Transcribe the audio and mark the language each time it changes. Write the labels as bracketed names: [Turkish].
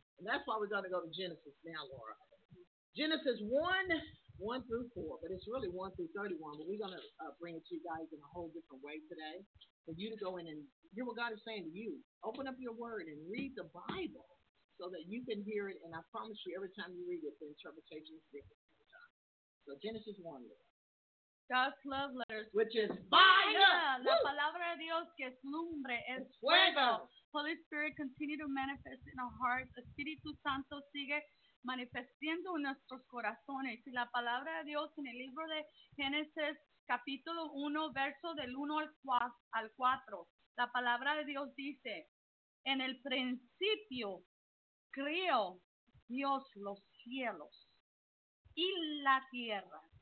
[English] And that's why we're going to go to Genesis now, Laura. Genesis 1 through 4, but it's really 1 through 31, but we're going to bring it to you guys in a whole different way today for you to go in and hear what God is saying to you. Open up your word and read the Bible so that you can hear it, and I promise you, every time you read it, the interpretation is different every time. So Genesis 1. God's love letters. Which is fire! [Spanish] La palabra de Dios que es lumbre es fuego. Holy Spirit, continue to manifest in our hearts. Espíritu Santo sigue manifestando en nuestros corazones. Y la palabra de Dios en el libro de Génesis, capítulo 1, verso del 1 al 4. La palabra de Dios dice, en el principio creó Dios los cielos y la tierra.